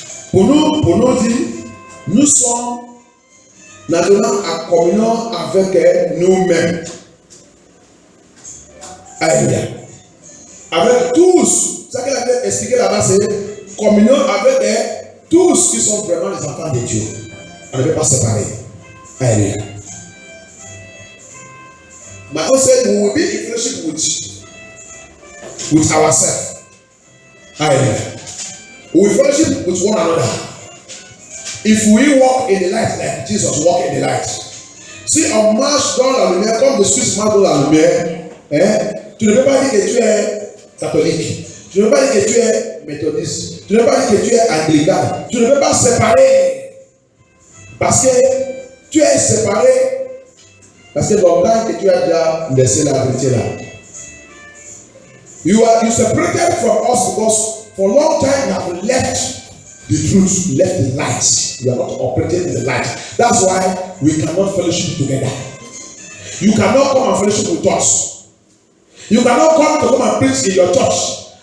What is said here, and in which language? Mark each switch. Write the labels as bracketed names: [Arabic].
[French] Pour nous dire, nous sommes maintenant en communion avec nous-mêmes. Aïe. Avec tous, ce qu'elle avait expliqué là-bas, c'est communion avec tous qui sont vraiment les enfants de Dieu. On ne peut pas séparer. Aïe. [English] But also, we will be in fellowship with ourselves. Aye. We will fellowship with one another. If we walk in the light like Jesus walked in the light. [French] See, on marche dans la lumière, comme le Suisse marche dans la lumière. Tu ne peux pas dire que tu es catholique. Tu ne peux pas dire que tu es méthodiste. Tu ne peux pas dire que tu es anglican. Tu ne peux pas séparer. Parce que tu es séparé. Parce que longtemps que tu as déjà laissé la vérité là. [English] You separated from us because for a long time you have left the truth, left the light. You are not operating in the light. That's why we cannot fellowship together. You cannot come and fellowship with us. You cannot come and preach in your church.